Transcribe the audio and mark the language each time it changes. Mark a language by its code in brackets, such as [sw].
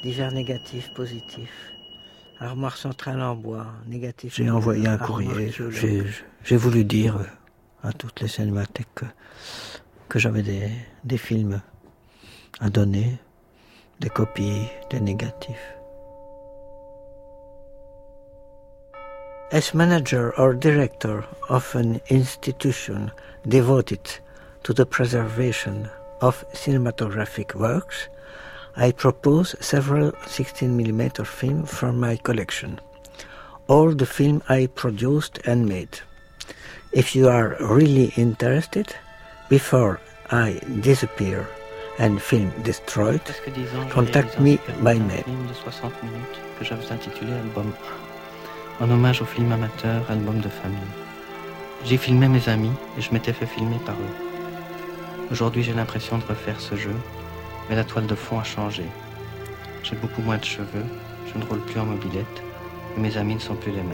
[fr] Divers négatifs, positifs. Armoire centrale en bois, négatif. J'ai envoyé un courrier. J'ai voulu dire à toutes les cinémathèques que j'avais des films à donner, des copies, des négatifs. [en] As manager or director of an institution devoted to the preservation of cinematographic works, I propose several 16mm films from my collection, all the film I produced and made. If you are really interested, before I disappear and film destroyed, contact me by mail. [fr] Film de 60 minutes que j'avais intitulé Album 1, en hommage au film amateur Album de famille. J'ai filmé mes amis et je m'étais fait filmer par eux. Aujourd'hui, j'ai l'impression de refaire ce jeu. Mais la toile de fond a changé. J'ai beaucoup moins de cheveux, je ne roule plus en mobilette, et mes amis ne sont plus les mêmes.